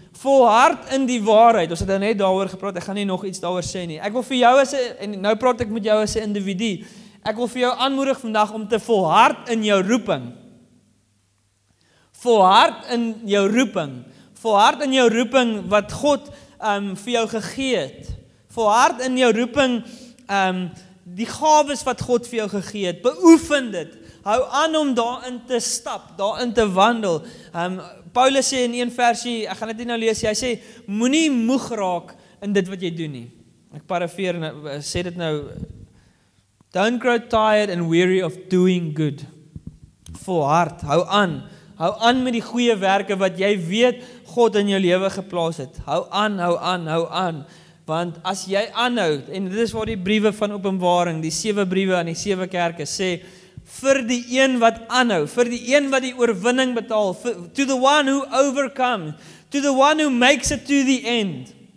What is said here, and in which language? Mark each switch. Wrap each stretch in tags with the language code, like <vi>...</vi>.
<af>Volhard in die waarheid, ons het net daaroor gepraat, ek gaan nie nog iets daaroor sê nie. Ek wil vir jou as, en nou praat ek met jou as 'n individu, ek wil vir jou aanmoedig vandag om te volhard in jou roeping. Volhard in jou roeping. Volhard in jou roeping wat God vir jou gegee het, volhard in jou roeping, die gawes wat God vir jou gegee het, beoefen dit, Hou aan om daarin te stap, daarin te wandel. Paulus sê in een versie, ek gaan dit nie nou lees, hy sê, moenie moeg raak in dit wat jy doen nie. Ek parafeer en sê dit nou,</af> <en>don't grow tired and weary of doing good.</en> <af>Volhard, hou aan. Hou aan met die goeie werke wat jy weet God in jou lewe geplaas het. Hou aan, hou aan, hou aan. Want as jy aanhou, en dit is waar die briewe van Openbaring, die 7 briewe aan die 7 kerke sê, vir die een wat aanhou, vir die een wat die oorwinning betaal,</af> <en>to the one who overcomes, to the one who makes it to the end.</en>